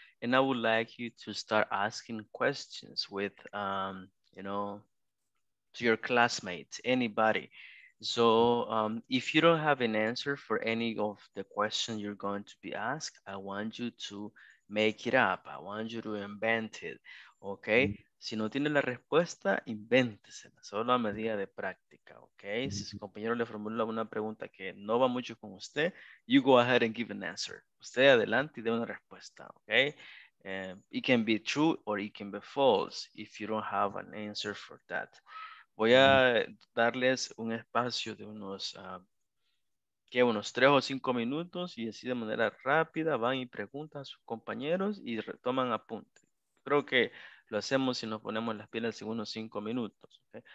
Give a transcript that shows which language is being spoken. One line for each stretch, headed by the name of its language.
English: And I would like you to start asking questions with, you know, to your classmates, anybody. So if you don't have an answer for any of the questions you're going to be asked, I want you to make it up. I want you to invent it.
Spanish: Okay, si no tiene la respuesta, invéntesela, solo a medida de práctica, okay? Si su compañero le formula una pregunta que no va mucho con usted,
English: you go ahead and give an answer.
Spanish: Usted adelante y dé una respuesta, okay?
English: It can be true or it can be false if you don't have an answer for that.
Spanish: Voy a darles un espacio de unos, ¿qué? Unos 3 o 5 minutos y así de manera rápida van y preguntan a sus compañeros y retoman apuntes. Creo que lo hacemos si nos ponemos las pilas en unos 5 minutos. ¿Okay?